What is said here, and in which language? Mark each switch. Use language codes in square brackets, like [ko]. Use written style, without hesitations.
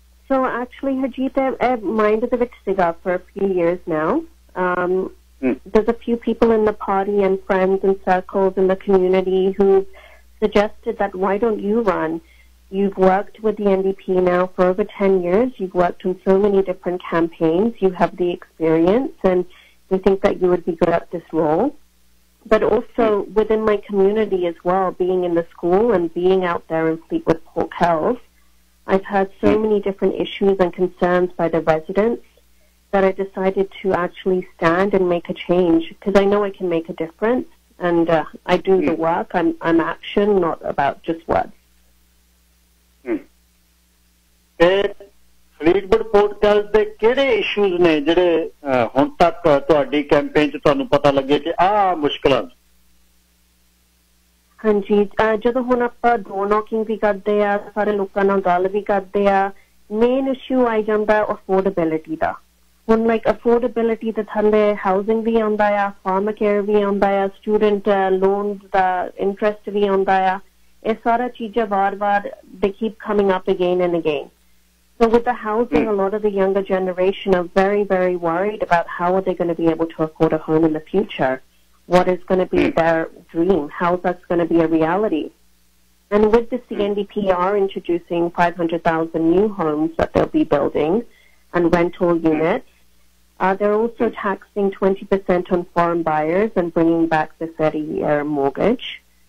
[en] so actually Harjeet, mind [pa] दे विच सीगा [en] For a few years now, there's a few people in the party and friends and circles in the community who suggested that why don't you run. You've worked with the NDP now for over 10 years. You've worked on so many different campaigns. You have the experience, and we think that you would be good at this role. But also within my community as well, being in the school and being out there in Fleetwood Port Hills, I've had so many different issues and concerns by the residents that I decided to actually stand and make a change, because I know I can make a difference, and I do the work. I'm action, not about just words. [pa] ਫਰੀਡਬੁੱਡ portal ਦੇ ਕਿਹੜੇ issues ਨੇ ਜਿਹੜੇ ਹੁਣ ਤੱਕ ਤੁਹਾਡੀ campaign ਚ ਤੁਹਾਨੂੰ ਪਤਾ ਲੱਗੇ ਕਿ ਆਹ ਮੁਸ਼ਕਲਾਂ? ਹਾਂਜੀ, ਜਦੋਂ ਹੁਣ ਆਪਾਂ ਡੋਰ ਨੋਕਿੰਗ ਵੀ ਕਰਦੇ ਆ, ਸਾਰੇ ਲੋਕਾਂ ਨਾਲ ਗੱਲ ਵੀ ਕਰਦੇ ਆ, ਮੇਨ ਇਸ਼ੂ ਆਈ ਜਾਂਦਾ ਅਫੋਰਡੇਬਿਲਿਟੀ ਦਾ। ਹੁਣ ਲਾਈਕ ਅਫੋਰਡੇਬਿਲਿਟੀ ਦੇ ਥੱਲੇ ਹਾਊਸਿੰਗ ਵੀ ਆਉਂਦਾ ਆ, ਫਾਰਮ ਕੇਅਰ ਵੀ ਆਉਂਦਾ ਆ, ਸਟੂਡੈਂਟ ਲੋਨ ਦਾ ਇੰਟਰਸਟ ਵੀ ਆਉਂਦਾ ਆ, ਇਹ ਸਾਰਾ ਚੀਜ਼ਾਂ ਵਾਰ ਵਾਰ ਦੇ [en] Keep coming up again and again. So with the housing, a lot of the younger generation are very, very worried about how are they going to be able to afford a home in the future? What is going to be their dream? How is that going to be a reality? And with the CNDP are introducing 500,000 new homes that they'll be building and rental units, they're also taxing 20% on foreign buyers and bringing back the 30-year mortgage.